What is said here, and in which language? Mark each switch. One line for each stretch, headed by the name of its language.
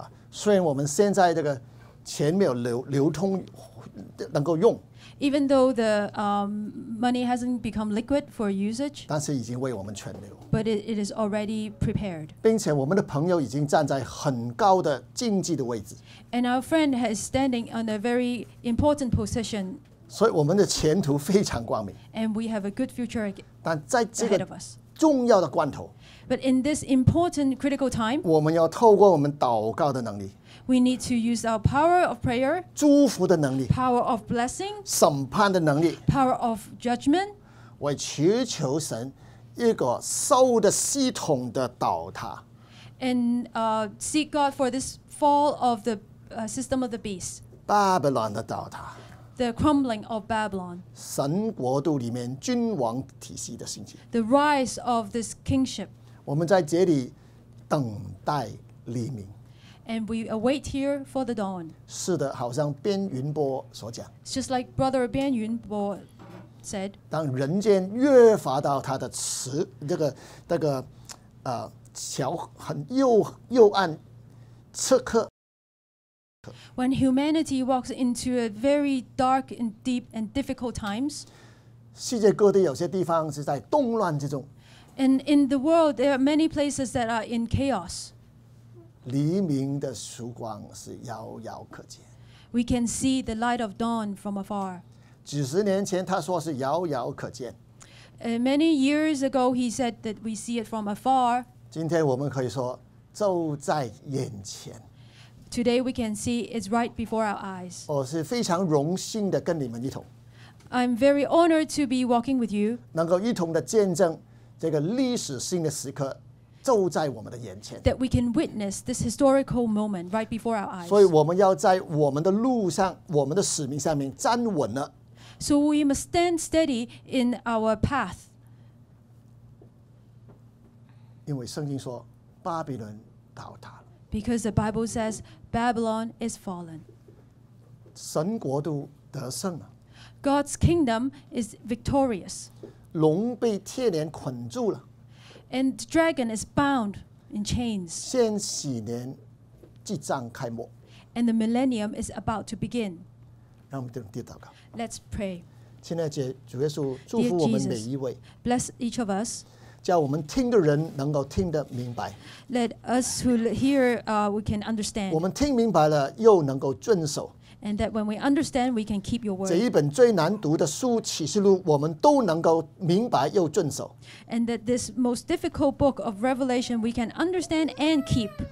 Chinese: 虽然我们现在这个钱没有流通，能够用。
English: Even though the money hasn't become liquid for usage,
Chinese: 但是已经为我们存留。
English: But it is already prepared.
Chinese: 并且我们的朋友已经站在很高的经济的位置。
English: And our friend is standing on a very important position.
Chinese: 所以我们的前途非常光明。
English: And we have a good future ahead of us.
Chinese: 但在这个重要的关头。
English: But in this important critical time,
Chinese: 我们要透过我们祷告的能力。
English: We need to use our power of prayer,
Chinese: 祝福的能力,
English: power of blessing,
Chinese: 审判的能力,
English: power of judgment,
Chinese: 为祈求神一个受的系统的倒塌,
English: and seek God for this fall of the system of the beast,
Chinese: Babylon 的倒塌,
English: the crumbling of Babylon,
Chinese: 神国度里面君王体系的兴起,
English: the rise of this kingship,
Chinese: 我们在这里等待黎明。
English: And we await here for the dawn.
Chinese: 是的，好像边云波所讲。
English: Just like Brother 边云波 said.
Chinese: 当人间越发到他的慈，那个桥很幽暗，刺客。
English: When humanity walks into a very dark and deep and difficult times,
Chinese: 世界各地有些地方是在动乱之中。
English: And in the world, there are many places that are in chaos.
Chinese: 黎明的曙光是遥遥可见。
English: We can see the light of dawn from afar.
Chinese: 几十年前他说是遥遥可见。
English: Many years ago, he said that we see it from afar.
Chinese: 今天我们可以说就在眼前。
English: Today we can see it's right before our eyes.
Chinese: 我是非常荣幸的跟你们一同。
English: I'm very honored to be walking with you.
Chinese: 能够一同的见证这个历史性的时刻就在我们的眼前。
English: That we can witness this historical moment right before our eyes.
Chinese: 所以我们要在我们的路上，我们的使命上面站稳了。
English: So we must stand steady in our path.
Chinese: 因为圣经说巴比伦倒塌。
English: Because the Bible says Babylon is fallen.
Chinese: 神国度得胜了。
English: God's kingdom is victorious.
Chinese: 龙被铁链捆住了。
English: And the dragon is bound in chains.
Chinese: 千禧年即将开幕。
English: And the millennium is about to begin.
Chinese: 让我们低头祷告。
English: Let's pray.
Chinese: 亲爱的主耶稣，祝福我们每一位。
English: Bless each of us.
Chinese: 叫我们听的人能够听得明白。
English: Let us who hear, we can understand.
Chinese: 我们听明白了，又能够遵守。
English: And that when we understand, we can keep your word.
Chinese: 这一本最难读的书《启示录》，我们都能够明白又遵守。
English: And that this most difficult book of Revelation, we can understand and keep.